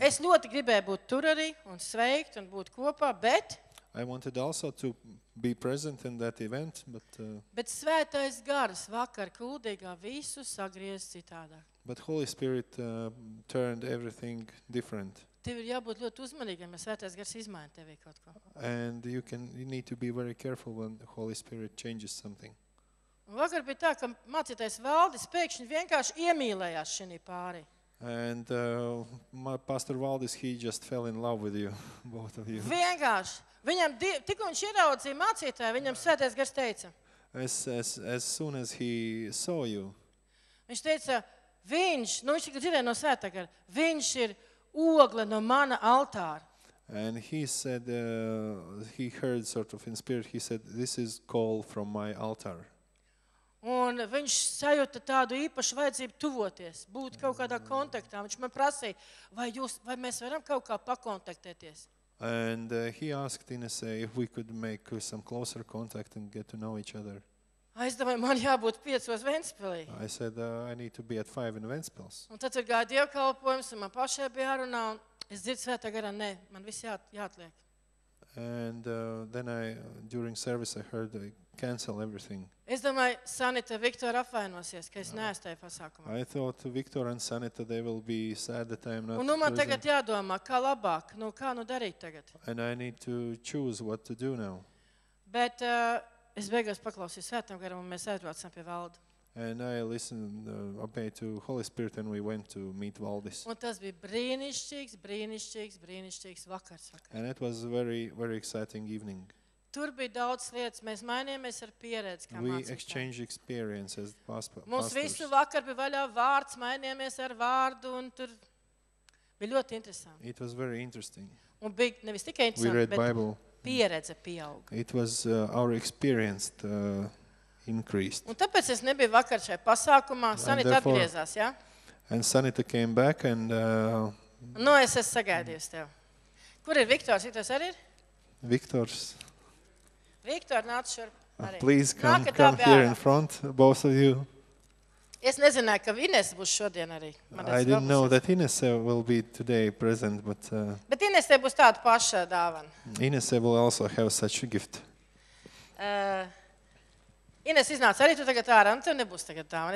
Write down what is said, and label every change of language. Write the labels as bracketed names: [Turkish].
[Latvian] Es ļoti gribēju būt tur arī un sveikt un būt kopā, bet [English] I wanted also to be present in that event, but [Latvian] Bet svētais gars vakar kuldīgā visu sagriez citādāk. [English] But Holy Spirit turned everything different. [Latvian] Tev ir jābūt ļoti uzmanīgam, ja svētais gars izmaina tevi kaut ko. [English] And you need to be very careful when the Holy Spirit changes something. [Latvian] Vakar bija tā, ka mācītais Valdis pēkšņi vienkārši iemīlējās šinī pāri. [English] And my pastor Valdis, he just fell in love with you, both of you. [Latvian] Vienkārši. Viņam tikko viņš ieraudzīja mācītāju, viņam svētais gars teica. [English] As soon as he saw you. [Latvian] Viņš teica, viņš tikai dzirdēja no svētā gara, viņš ir ogle no mana altāra. [English] And he said, he heard sort of in spirit, he said, this is call from my altar. [Latvian] Un viņš sajūta tādu īpašu vajadzību tuvoties, būt kaut kādā kontaktā. Viņš man prasīja, vai mēs varam kaut kā pakontaktēties. [English] And he asked Inese if we could make some closer contact and get to know each other. [Latvian] Es domāju, man jābūt 5 Ventspilī. [English] I said, I need to be at 5 in Ventspils. [Latvian] Un tad tur gāja dievkalpojums, un man pašai bija jārunā, un es dzirdu svētā garā, ne, man viss jāatliek. [English] And then I, during service, I heard cancel everything. [Latvian] Es domāju, Sanita, Viktor apvainosies, ka es neesmu pasākumā. [English] I thought Viktor and Sanita, they will be sad that I am not [Latvian] Un nu man [English] prison. [Latvian] Tagad jādomā, kā labāk, nu kā nu darīt tagad? [English] And I need to choose what to do now. [Latvian] Bet es beigās paklausīju svētam garam un mēs aizbraucām pie Valdu. [English] And I listened to Holy Spirit and we went to meet Valdis. [Latvian] Un tas bija brīnišķīgs, brīnišķīgs, brīnišķīgs vakars. [English] And it was a very, very exciting evening. [Latvian] Tur bija daudz lietas. Mēs mainījāmies ar pieredzi, kā mācītāji. [English] We exchange experience as pastors. [Latvian] Mums visu vakar bija vaļā vārds, mainījāmies ar vārdu, un tur bija ļoti interesanti. [English] It was very interesting. [Latvian] Un bija nevis tikai interesanti, bet Bible. Pieredze pieauga. [English] It was our experience increased. [Latvian] Un tāpēc es nebiju vakar šai pasākumā. Sanita atgriezās, ja? [English] And Sanita came back and... [Latvian] Nu, es esmu sagaidījusi tev. Kur ir Viktors? Viktors arī ir? Viktors... Viktor, nāc šurp. [English] Please come here in front, both of you. [Latvian] Es nezināju, ka Inese būs šodien arī. [English] I didn't know that Inese will be today present, but... [Latvian] Bet Inese būs tāda paša dāvana. [English] Inese will also have such a gift. [Latvian] Inese, iznāc arī tu tagad ārā, un tev nebūs tagad dāvana.